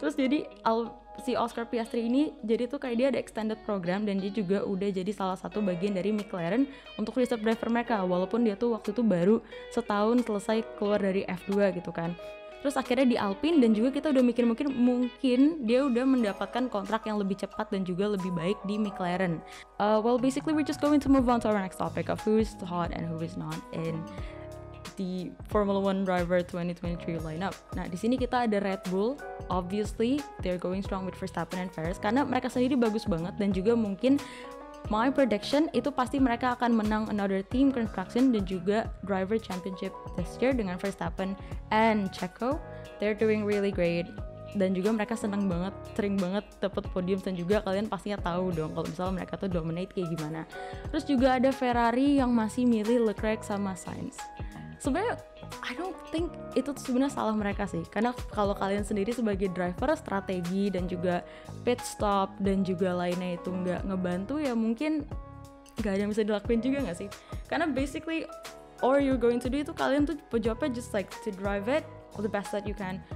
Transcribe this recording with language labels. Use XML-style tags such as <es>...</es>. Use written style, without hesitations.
<id>Terus jadi si Oscar Piastri ini jadi tuh kayak dia ada extended program, dan dia juga udah jadi salah satu bagian dari McLaren untuk reserve driver mereka, walaupun dia tuh waktu itu baru setahun selesai keluar dari F2 gitu kan. Terus akhirnya di Alpine, dan juga kita udah mikir mungkin dia udah mendapatkan kontrak yang lebih cepat dan juga lebih baik di McLaren.</id> <en>Well, basically we're just going to move on to our next topic of who is hot and who is not in the Formula One driver 2023 lineup.</en> <id>Nah, di sini kita ada Red Bull.</id> <en>Obviously, they're going strong with Verstappen and Perez</en> <id>karena mereka sendiri bagus banget, dan juga mungkin</id> <en>my prediction</en> <id>itu pasti mereka akan menang</id> <en>another team construction</en> <id>dan juga</id> <en>driver championship this year</en> <id>dengan Verstappen and Checo.</id> <en>They're doing really great.</en> <id>Dan juga mereka senang banget, sering banget dapat podium, dan juga kalian pastinya tahu dong kalau misalnya mereka tuh dominate kayak gimana. Terus juga ada Ferrari yang masih milih Leclerc sama Sainz. Sebenarnya</id> <en>I don't think</en> <id>itu sebenarnya salah mereka sih, karena kalau kalian sendiri sebagai driver, strategi dan juga pit stop dan juga lainnya itu nggak ngebantu, ya mungkin nggak ada yang bisa dilakuin juga nggak sih. Karena</id> <en>basically all you're going to do</en> <id>itu kalian tuh jawabnya</id> <en>just like to drive it the best that you can.</en>